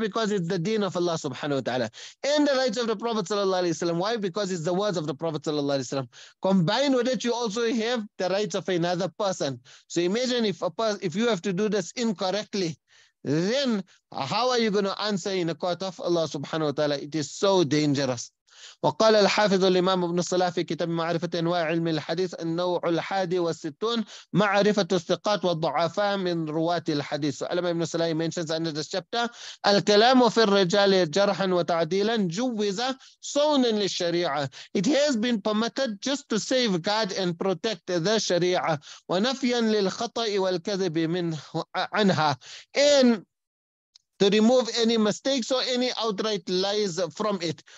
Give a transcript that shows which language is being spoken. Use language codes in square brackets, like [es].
[en] Because it's the deen of Allah Subhanahu Wa Ta'ala. And the rights of the Prophet Sallallahu Alaihi Wasallam. Why? Because it's the words of the Prophet Sallallahu Alaihi Wasallam. Combined with it, you also have the rights of another person. So imagine if you have to do this incorrectly, then how are you going to answer in the court of Allah subhanahu wa ta'ala? It is so dangerous. [ar] وقال الحافظ الإمام ابن الصلاح في كتاب معرفة أنواع علم الحديث النوع الحادي والستون معرفة الثقات والضعفاء من رواة الحديث. الإمام ابن الصلاح [en] mentions under this chapter [ar] الكلام في الرجال جرحا وتعديلا جوز صونا للشريعة. [en] It has been permitted just to safeguard and protect the [ar] شريعة ونفيا للخطأ والكذب من عنها. [en] And to remove any mistakes or any outright lies from it.